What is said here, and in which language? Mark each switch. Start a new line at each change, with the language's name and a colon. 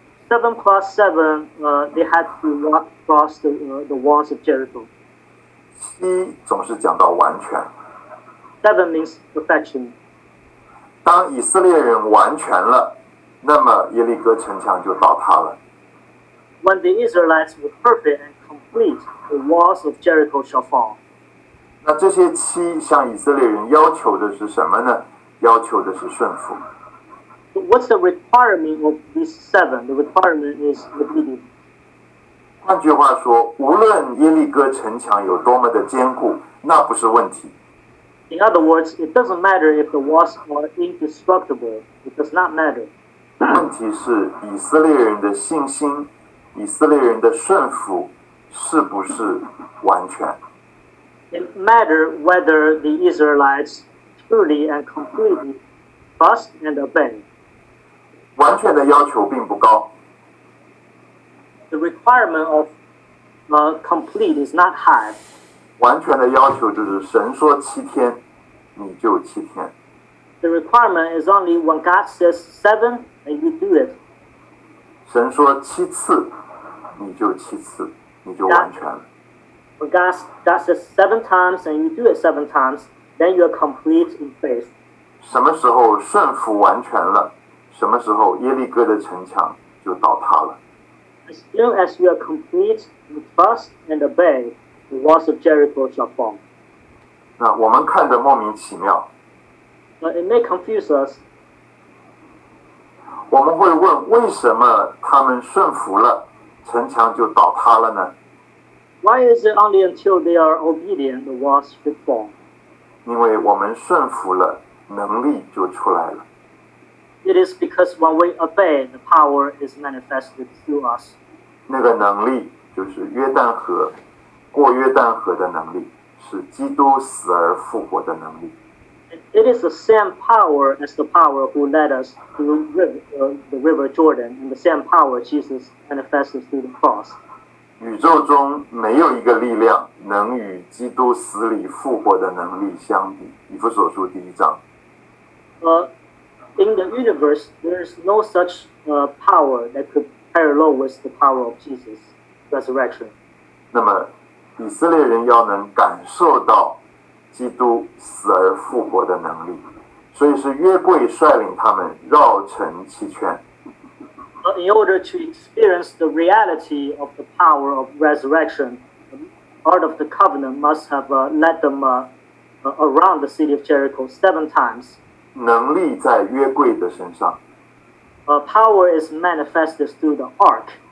English: seven plus seven, they had to walk across the walls of Jericho.
Chinese: 七总是讲到完全。
English: Seven means perfection.
Chinese: 当以色列人完全了，那么耶利哥城墙就倒塌了。
English: When the Israelites were perfect and complete, the walls of Jericho shall fall.
Chinese: 那这些七向以色列人要求的是什么呢？要求的是顺服。
English: But what's the requirement of these seven? The requirement is obedience.
Chinese: 换句话说，无论耶利哥城墙有多么的坚固，那不是问题。
English: In other words, it doesn't matter if the walls are indestructible. It does not matter.
Chinese: 问题是以色列人的信心，以色列人的顺服是不是完全？
English: It matters whether the Israelites truly and completely trust and obey.
Chinese: 完全的要求并不高。
English: The requirement of the complete is not high.
Chinese: 完全的要求就是神说七天，你就七天。
English: The requirement is only when God says seven, and you do it.
Chinese: 神说七次，你就七次，你就完全了。
English: When God says seven times and you do it seven times, then you are complete in faith.
Chinese: 什么时候顺服完全了，什么时候耶利哥的城墙就倒塌了。
English: As soon as you are complete in trust and obey, the walls of Jericho shall fall.
Chinese: 那我们看得莫名其妙。
English: But it may confuse us.
Chinese: 我们会问为什么他们顺服了，城墙就倒塌了呢？
English: Why is it only until they are obedient the walls will fall?
Chinese: 因为我们顺服了，能力就出来了。
English: It is because when we obey, the power is manifested through us.
Chinese: 那个能力就是约旦河，过约旦河的能力，是基督死而复活的能力。
English: It is the same power as the power who led us through the river Jordan, and the same power Jesus manifested through the cross.
Chinese: 宇宙中没有一个力量能与基督死里复活的能力相比。以弗所书第一章。
English: In the universe, there is no such power that could parallel with the power of Jesus' resurrection.
Chinese: 那么，以色列人要能感受到基督死而复活的能力，所以是约柜率领他们绕城七圈。
English: In order to experience the reality of the power of resurrection, the Ark of the Covenant must have led them around the city of Jericho seven times.
Chinese: 能力在约柜的身上。
English: Power is manifested through the Ark.